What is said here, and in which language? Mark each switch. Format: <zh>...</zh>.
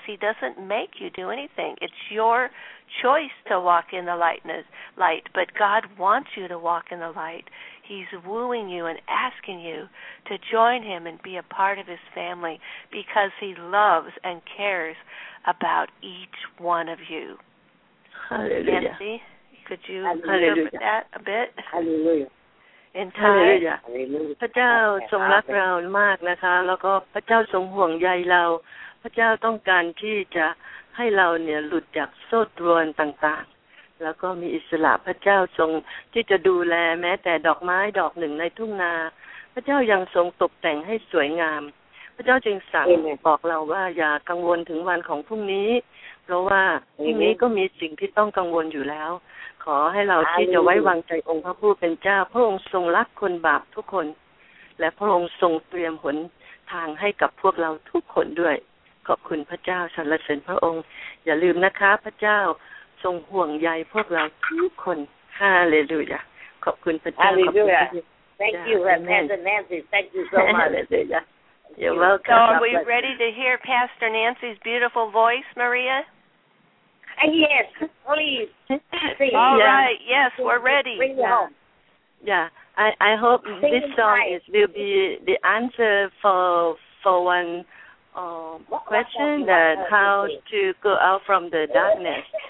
<en>He doesn't make you do anything. It's your choice to walk in the light, but God wants you to walk in the light. He's wooing you and asking you to join him and be a part of his family because he loves and cares about each one of you. Hallelujah. Nancy, could you Hallelujah. Interpret that a bit? Hallelujah. In time,</en> <th>พระเจ้าทรงรักเรามากนะคะแล้วก็พระเจ้าทรงห่วงใยเราพระเจ้าต้องการที่จะให้เราเนี่ยหลุดจากโซ่ตรวนต่างๆแล้วก็มีอิสระพระเจ้าทรงที่จะดูแลแม้แต่ดอกไม้ดอกหนึ่งในทุ่งนา พระเจ้ายังทรงตกแต่งให้สวยงามพระเจ้าจึงสั่งบอกเราว่าอย่ากังวลถึงวันของพรุ่งนี้เพราะว่าพรุ่งนี้ก็มีสิ่งที่ต้องกังวลอยู่แล้วขอให้เราที่จะไว้วางใจองค์พระผู้เป็นเจ้าพระองค์ทรงรักคนบาปทุกคน และพระองค์ทรงเตรียมหนทางให้กับพวกเราทุกคนด้วยขอบคุณพระเจ้าสรรเสริญพระองค์อย่าลืมนะคะพระเจ้าทรงห่วงใยพวกเราทุกคนฮาเลลูยาขอบคุณพระเจ้าขอบคุณพระเจ้า</th> <en>Thank you Pastor Nancy Thank you so much You're welcome So are we ready to hear Pastor Nancy's beautiful voice Maria? Yes, please. All right, yes, we're ready. Bring it home. Yeah, I hope this song is, will be the answer for one question that how to go out from the darkness.</en>